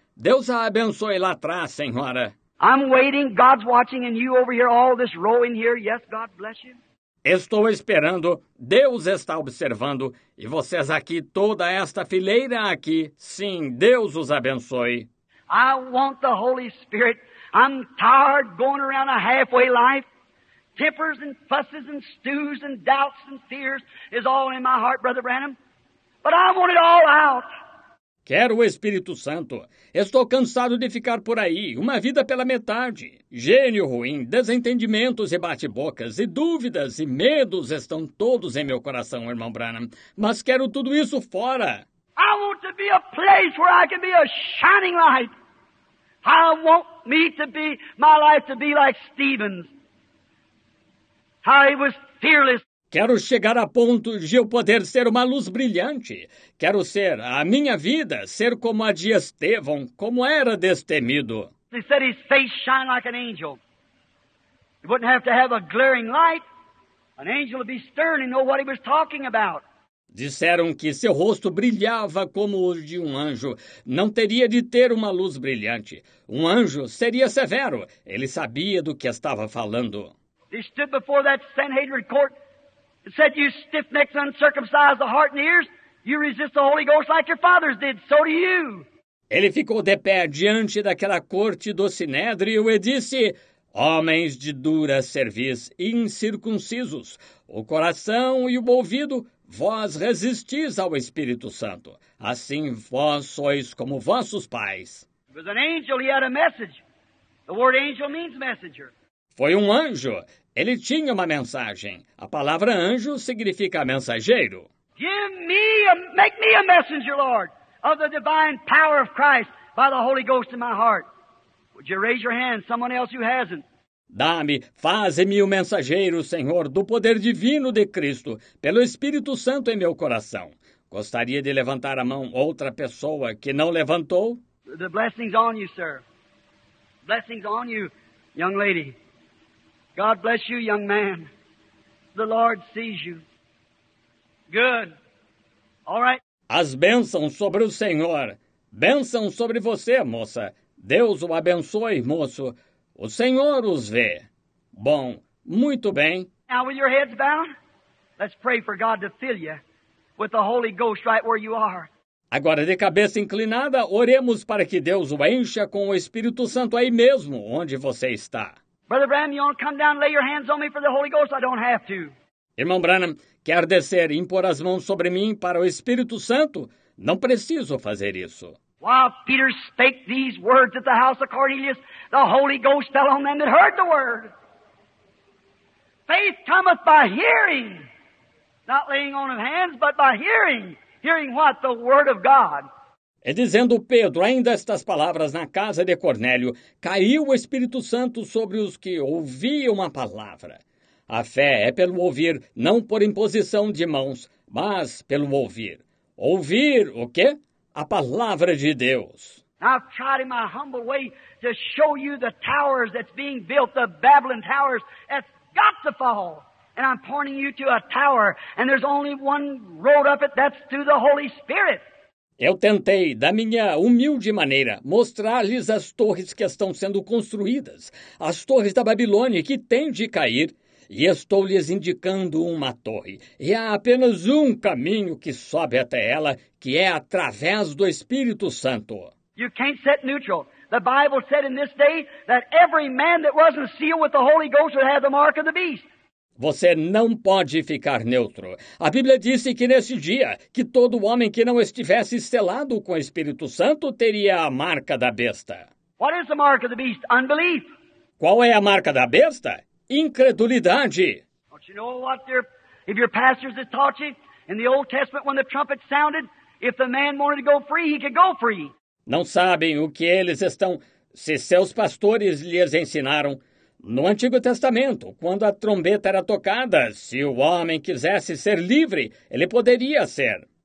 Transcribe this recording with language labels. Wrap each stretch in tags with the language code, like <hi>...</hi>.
<pt>Deus a abençoe lá atrás, senhora.</pt> <en>I'm waiting, God's watching, and you over here, all this row in here, yes, God bless you.</en> <pt>Estou esperando, Deus está observando, e vocês aqui, toda esta fileira aqui, sim, Deus os abençoe.</pt> <en>I want the Holy Spirit. I'm tired going around a halfway life. Tempers and fusses and stews and doubts and fears is all in my heart, Brother Branham. But I want it all out.</en> <pt>Quero o Espírito Santo. Estou cansado de ficar por aí, uma vida pela metade. Gênio ruim, desentendimentos e bate-bocas, e dúvidas e medos estão todos em meu coração, irmão Branham. Mas quero tudo isso fora.</pt> <en>I want to be a place where I can be a shining light. I want me to be, my life to be like Stephen's. How he was fearless.</en> <pt>Quero chegar a ponto de eu poder ser uma luz brilhante. Quero ser, a minha vida, ser como a de Estevão, como era destemido.</pt> <en>He said his face shine like an angel. He wouldn't have to have a glaring light. An angel would be stern and know what he was talking about.</en> <pt>Disseram que seu rosto brilhava como o de um anjo. Não teria de ter uma luz brilhante. Um anjo seria severo. Ele sabia do que estava falando.</pt> <en>He stood before that Sanhedrin court. It said, you stiff-necked, uncircumcised the heart and ears. You resist the Holy Ghost like your fathers did. So do you.</en> <pt>Ele ficou de pé diante daquela corte do Sinédrio e disse, homens de dura cerviz, incircuncisos, o coração e o ouvido, vós resistis ao Espírito Santo. Assim vós sois como vossos pais.</pt> <en>It was an angel. He had a message. The word angel means messenger.</en> <pt>Foi um anjo. Ele tinha uma mensagem. A palavra anjo significa mensageiro.</pt> <en>Make me a messenger, Lord, of the divine power of Christ by the Holy Ghost in my heart. Would you raise your hand, someone else who hasn't?</en> <pt>Dá-me, faz-me o mensageiro, Senhor, do poder divino de Cristo, pelo Espírito Santo em meu coração. Gostaria de levantar a mão outra pessoa que não levantou?</pt> <en>The blessings on you, sir. Blessings on you, young lady. God bless you, young man. The Lord sees you. Good. All right.</en> <pt>As bênçãos sobre o Senhor. Bênçãos sobre você, moça. Deus o abençoe, moço. O Senhor os vê. Bom, muito bem.</pt> <en>Now, with your heads bowed, let's pray for God to fill you with the Holy Ghost right where you are.</en> <pt>Agora, de cabeça inclinada, oremos para que Deus o encha com o Espírito Santo aí mesmo, onde você está.</pt> <en>Brother Branham, you want to come down and lay your hands on me for the Holy Ghost? I don't have to.</en> <pt>Irmão Branham, quer descer e impor as mãos sobre mim para o Espírito Santo? Não preciso fazer isso.</pt> <en>While Peter spake these words at the house of Cornelius, the Holy Ghost fell on them that heard the word. Faith cometh by hearing, not laying on of hands, but by hearing. Hearing what? The word of God.</en> <pt>E dizendo Pedro ainda estas palavras na casa de Cornélio, caiu o Espírito Santo sobre os que ouviam a palavra. A fé é pelo ouvir, não por imposição de mãos, mas pelo ouvir. Ouvir o quê? A palavra de Deus.</pt> <en>I've tried in my humble way to show you the towers that's being built, the Babylon towers, that's got to fall. And I'm pointing you to a tower, and there's only one road up it, that's through the Holy Spirit.</en> <pt>Eu tentei, da minha humilde maneira, mostrar-lhes as torres que estão sendo construídas, as torres da Babilônia que têm de cair, e estou lhes indicando uma torre. E há apenas um caminho que sobe até ela, que é através do Espírito Santo.</pt> <en>You can't sit neutral. The Bible said in this day that every man that wasn't sealed with the Holy Ghost would have the mark of the beast.</en> <pt>Você não pode ficar neutro. A Bíblia disse que nesse dia, que todo homem que não estivesse selado com o Espírito Santo teria a marca da besta.</pt> <en>What is the mark of the beast? Unbelief.</en> <pt>Qual é a marca da besta? Incredulidade.</pt> <en>Don't you know what their, if your pastors had taught you in the Old Testament when the trumpet sounded, if the man wanted to go free, he could go free.</en> <pt>Não sabem o que eles estão, se seus pastores lhes ensinaram. No Antigo Testamento, quando a trombeta era tocada, se o homem quisesse ser livre, ele poderia ser.</pt>